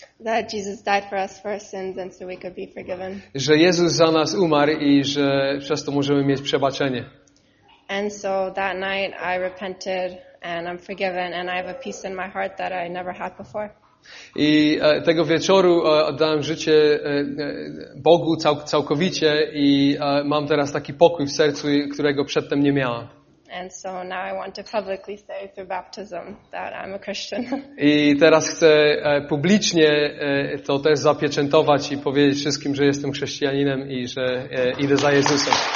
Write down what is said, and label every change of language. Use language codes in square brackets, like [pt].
[en] That Jesus died for us for our sins and so we could be forgiven. [pl] Że Jezus za nas umarł i że przez to możemy mieć przebaczenie. [en] And so that night I repented and I'm forgiven and I have a peace in my heart that I never had before. [pl] I tego wieczoru oddałem życie Bogu całkowicie i mam teraz taki pokój w sercu, którego przedtem nie miałam. [en] And so now I want to publicly say through baptism that I'm a Christian. [pl] I teraz chcę publicznie to też zapieczętować i powiedzieć wszystkim, że jestem chrześcijaninem i że idę za Jezusem.